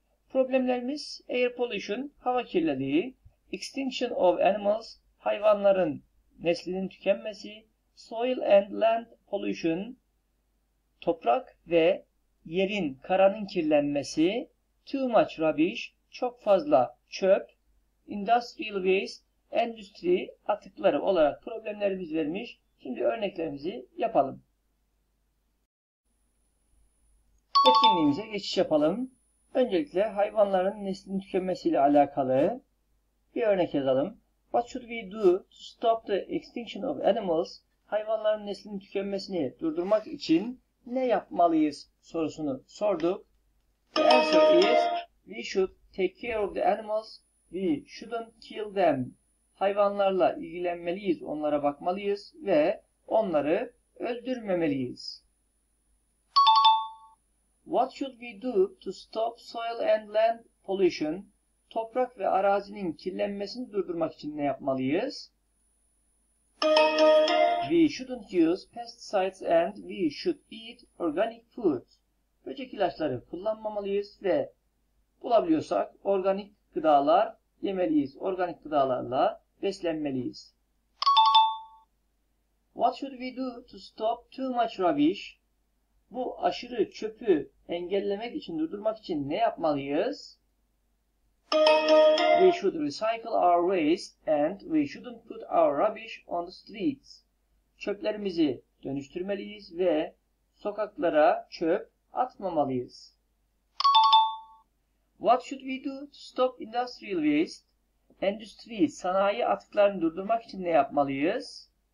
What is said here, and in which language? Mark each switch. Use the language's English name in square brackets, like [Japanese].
[Turkish] Problemlerimiz air pollution, hava kirliliği, extinction of animals, hayvanların neslinin tükenmesi, soil and land pollution, toprak ve yerin, karanın kirlenmesi, too much rubbish, çok fazla çöp, industrial waste, endüstri atıkları olarak problemlerimiz vermiş. Şimdi örneklerimizi yapalım. Etkinliğimize geçiş yapalım. Öncelikle hayvanların neslinin tükenmesiyle alakalı bir örnek yazalım. [English] What should we do to stop the extinction of animals? [Turkish] Hayvanların neslinin tükenmesini durdurmak için ne yapmalıyız sorusunu sorduk. [English] The answer is we should take care of the animals. We shouldn't kill them. [Turkish] Hayvanlarla ilgilenmeliyiz, onlara bakmalıyız ve onları öldürmemeliyiz. [English] What should we do to stop soil and land pollution? [Turkish] Toprak ve arazinin kirlenmesini durdurmak için ne yapmalıyız? [English] We shouldn't use pesticides and we should eat organic food. [Turkish] Böcek ilaçları kullanmamalıyız ve bulabiliyorsak organik gıdalar yemeliyiz. Organik gıdalarla beslenmeliyiz. [English] What should we do to stop too much rubbish? [Turkish] Bu aşırı çöpü engellemek için, durdurmak için ne yapmalıyız? [English] We should recycle our waste and we shouldn't put our rubbish on the streets. [Turkish] Çöplerimizi dönüştürmeliyiz ve sokaklara çöp atmamalıyız. [English] What should we do to stop industrial waste? [Turkish] Endüstri, sanayi atıklarını durdurmak için ne yapmalıyız?